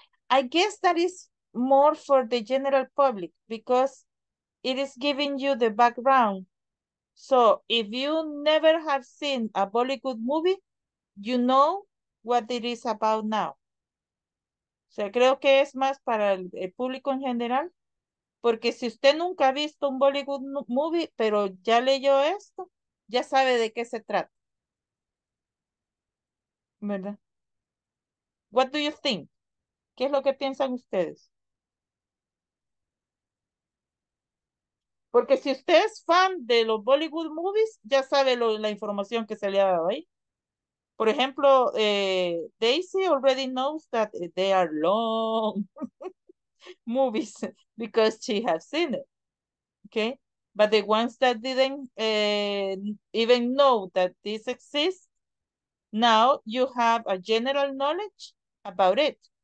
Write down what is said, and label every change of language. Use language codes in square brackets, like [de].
[en] I guess that is more for the general public because it is giving you the background. So if you never have seen a Bollywood movie, you know what it is about now. [es] O sea, creo que es más para el público en general, porque si usted nunca ha visto un Bollywood movie, pero ya leyó esto, ya sabe de qué se trata. ¿Verdad? [en] What do you think? [es] ¿Qué es lo que piensan ustedes? Porque si usted es fan de los Bollywood movies, ya sabe lo, la información que se le ha dado ahí. Por ejemplo, [en] Daisy already knows that they are long movies because she has seen it. Okay? But the ones that didn't even know that this exists, now you have a general knowledge about it.